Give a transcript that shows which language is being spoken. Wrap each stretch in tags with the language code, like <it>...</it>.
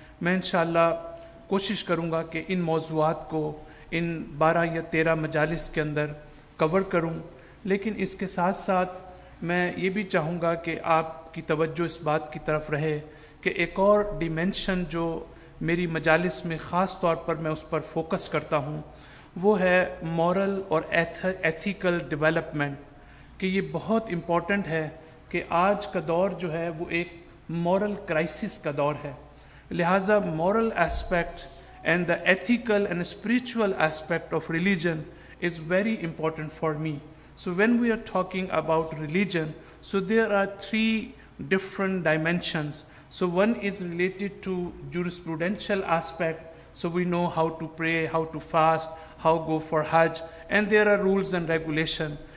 <ur>میں انشاءاللہ کوشش کروں گا کہ ان موضوعات کو ان 12 یا 13 مجالس کے اندر کور کروں، لیکن اس کے ساتھ ساتھ میں یہ بھی چاہوں گا کہ آپ کی توجہ اس بات کی طرف رہے کہ ایک اور ڈیمینشن جو میری مجالس میں خاص طور پر میں اس پر فوکس کرتا ہوں وہ ہے</ur> <en>moral اور ethical development,</en> <ur>کہ یہ بہت امپورٹنٹ ہے کہ آج کا دور جو ہے وہ ایک مورل کرائسس کا دور ہے. لہٰذا</ur> <en>Moral aspect and the ethical and spiritual aspect of religion is very important for me. So when we are talking about religion, so there are 3 different dimensions. So one is related to jurisprudential aspect, so we know how to pray, how to fast, how go for hajj, and there are rules and regulation.</en>